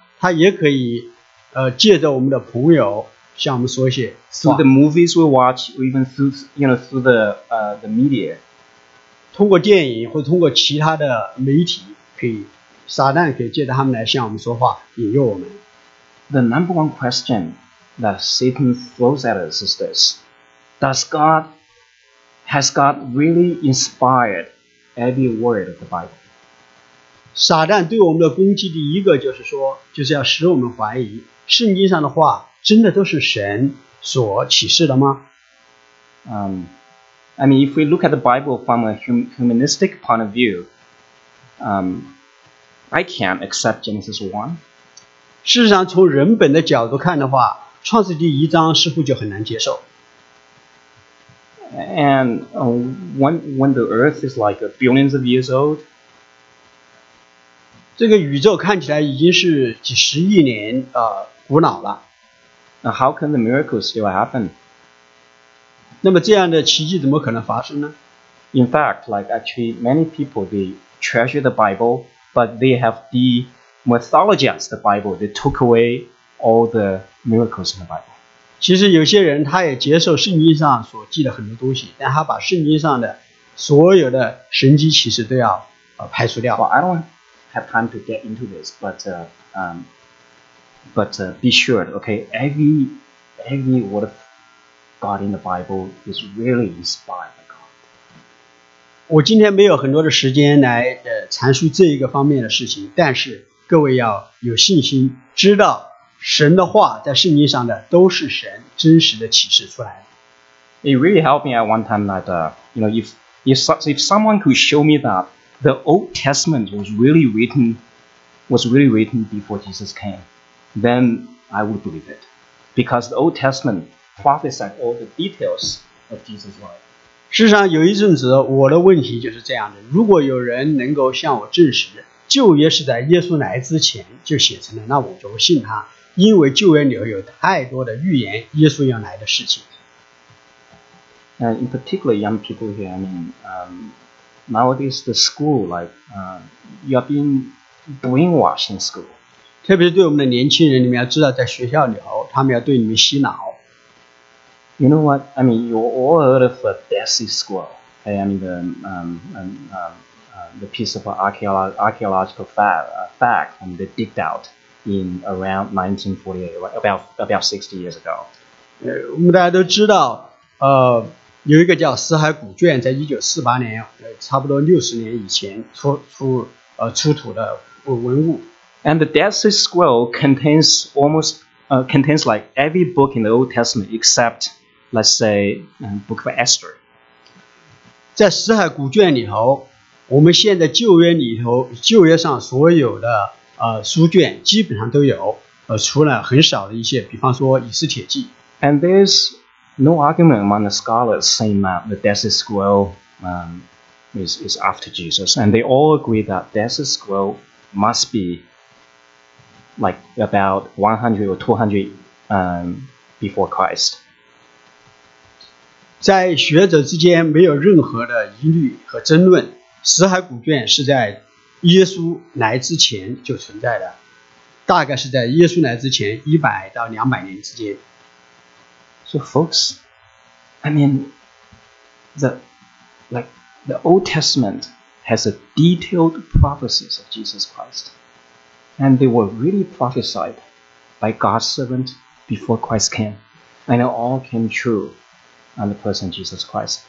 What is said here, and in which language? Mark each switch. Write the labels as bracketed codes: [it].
[zh] 他也可以借着我们的朋友向我们说一些话。 [en] Through the movies we watch, or even through the media. [zh] 通过电影或通过其他的媒体，可以撒旦可以借着他们来向我们说话，引诱我们。 [en] The number one question that Satan throws at us is this: Has God really inspired every word of the Bible? [zh] 撒旦对我们的攻击，第一个就是说，就是要使我们怀疑圣经上的话真的都是神所启示的吗？ [en] I mean, if we look at the Bible from a humanistic point of view, I can't accept Genesis 1. [zh] 事实上，从人本的角度看的话，创世纪一章似乎就很难接受。 [en] And when the earth is like billions of years old, [zh] 这个宇宙看起来已经是几十亿年古老了。 [en] How can the miracle still happen? [zh] 那么这样的奇迹怎么可能发生呢？ [en] In fact, like actually many people, they treasure the Bible, but they have demythologized the Bible. They took away all the miracles in the Bible. [zh] 其实有些人他也接受圣经上所记的很多东西，但他把圣经上的所有的神迹奇事都要排除掉。 [en] Well, I don't have time to get into this, but be sure, okay? Every word of God in the Bible is really inspired by God. [zh] 我今天没有很多的时间来阐述这一个方面的事情，但是各位要有信心知道。神的话在圣经上的都是神真实的启示出来的。 [en] It really helped me at one time that, you know, if someone could show me that the Old Testament was really written before Jesus came, then I would believe it. Because the Old Testament prophesied all the details of Jesus' life. [zh] 事实上有一阵子我的问题就是这样的，如果有人能够向我证实旧约是在耶稣来之前就写成了，那我就会信他。因为旧约里头有太多的预言耶稣要来的事情。 [en] And in particular, young people here, I mean, nowadays the school, like, you're being brainwashed in school. [zh] 特别是对我们的年轻人，你们要知道，在学校里头，他们要对你们洗脑。 [en] You know what? I mean, you all heard of a Desi school. I mean, the piece of archaeological fact, and they digged out. In around 1948, about 60 years ago. [zh] 我们大家都知道，有一个叫死海古卷，在1948年，差不多60年以前出土的文物。 [en] And the Dead Sea Scroll contains like every book in the Old Testament except, let's say, Book of Esther. [zh] 在死海古卷里头，我们现在旧约里头，旧约上所有的。书卷基本上都有，除了很少的一些，比方说《以斯帖记》。 [en] And there's no argument among the scholars saying that the Dead Sea Scroll is after Jesus, and they all agree that Dead Sea Scroll must be like about 100 or 200 before Christ. [zh] 在学者之间没有任何的疑虑和争论，死海古卷是在。耶稣来之前就存在的，大概是在耶稣来之前100到200年之间。 [en] So folks, I mean, the Old Testament has a detailed prophecies of Jesus Christ, and they were really prophesied by God's servant before Christ came, and it all came true on the person Jesus Christ.